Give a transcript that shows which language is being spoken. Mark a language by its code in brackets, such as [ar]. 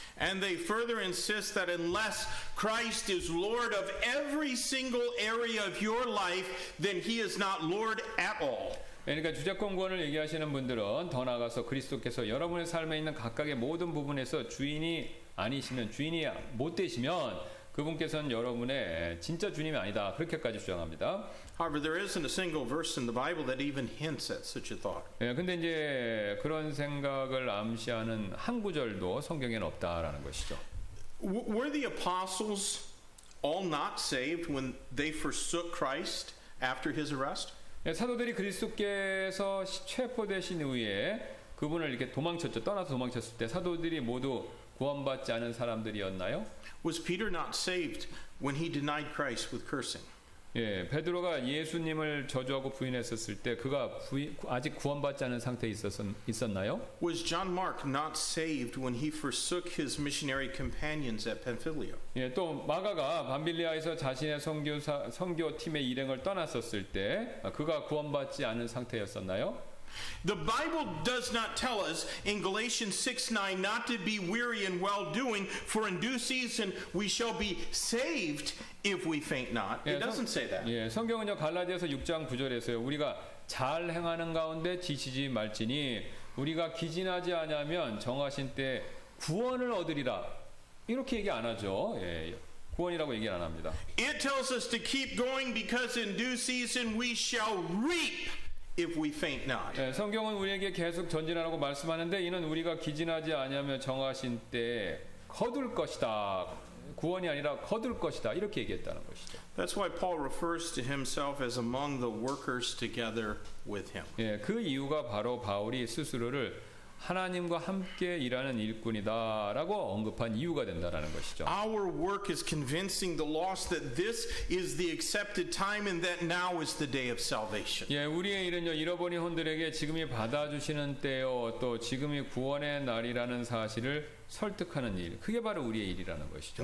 [en] And they further insist that unless Christ is Lord of every single area of your life, then he is not Lord at all. [ko] 그러니까 주제권권을 얘기하시는 분들은 더 나아가서 그리스도께서 여러분의 삶에 있는 각각의 모든 부분에서 주인이 아니시면 주인이 못 되시면 그분께서는 여러분의 진짜 주님이 아니다 그렇게까지 주장합니다. [en] However, there isn't a single verse in the Bible that even hints at such a thought. [ko] 예, 근데 이제 그런 생각을 암시하는 한 구절도 성경에는 없다라는 것이죠. [en] Were the apostles all not saved when they forsook Christ after his arrest? [ko] 예, 사도들이 그리스도께서 체포되신 후에 그분을 이렇게 도망쳤죠. 떠나서 도망쳤을 때 사도들이 모두 구원받지 않은 사람들이었나요? [en] Was Peter not saved when he denied Christ with cursing? [ko] 예, 베드로가 예수님을 저주하고 부인했었을 때 그가 아직 구원받지 않은 상태에 있었나요? [en] Was John Mark not saved when he forsook his missionary companions at Pamphylia? [ko] 예, 또 마가가 밤빌리아에서 자신의 선교팀의 일행을 떠났었을 때 그가 구원받지 않은 상태였었나요? [en] The Bible does not tell us in Galatians 6:9 not to be weary in well doing, for in due season we shall be saved if we faint not. It doesn't say that. [ko] 예, 성경은요 갈라디아서 6장 9절에서요 우리가 잘 행하는 가운데 지치지 말지니 우리가 기진하지 아니하면 정하신 때 구원을 얻으리라 이렇게 얘기 안 하죠. 예. 구원이라고 얘기 안 합니다. [en] It tells us to keep going because in due season we shall reap. If we faint not. [ko] 예, 성경은 우리에게 계속 전진하라고 말씀하는데 이는 우리가 기진하지 아니하며 정하신 때 거둘 것이다. 구원이 아니라 거둘 것이다. 이렇게 얘기했다는 것이죠. [en] That's why Paul refers to himself as among the workers together with him. [ko] 예, 그 이유가 바로 바울이 스스로를 하나님과 함께 일하는 일꾼이다라고 언급한 이유가 된다라는 것이죠. [en] Our work is convincing the lost that this is the accepted time and that now is the day of salvation. [ko] 예, 우리의 일은요 잃어버린 혼들에게 지금이 받아주시는 때요 또 지금이 구원의 날이라는 사실을 설득하는 일. 그게 바로 우리의 일이라는 것이죠.